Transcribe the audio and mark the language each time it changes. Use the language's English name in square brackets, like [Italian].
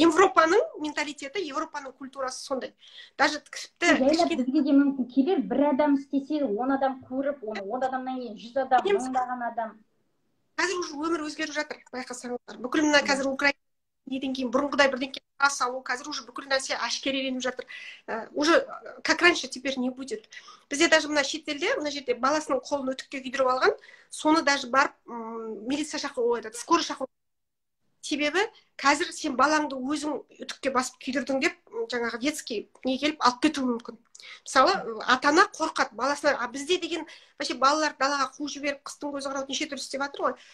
[Kazakh] Европаның менталитеті, Европаның культурасы сондай. Даже тіпті бізге де мүмкін келер, бір адам істесе он адам көріп, оны он адамнан кейін жүз адам, мыңдаған адам. Қазір уже өмір өзгеріп жатыр, байқасаңыздар. Бүкіл мына қазір Украинадан кейін бұрынғыдай бірдеңке салу, қазір уже бүкіл нәрсе әшкереленіп жатыр. [Russian] Уже как раньше теперь не будет. [Kazakh] Бізде даже мына шетелде, мына жерде баласының қолын өтікке күйдіріп алған, соны даже барып милиция шақыруға айтады, скорый шақыру. Себебі қазір сен балаңды өзің өтікке басып күйдірдің деп жаңағы детский не келіп алып кетуі мүмкін. Мысалы ата ана қорқады баласына. А бізде деген вообще балалар далаға қуып жіберіп қыстың көзі қарауды неше түрлі істеп жатыр ғой.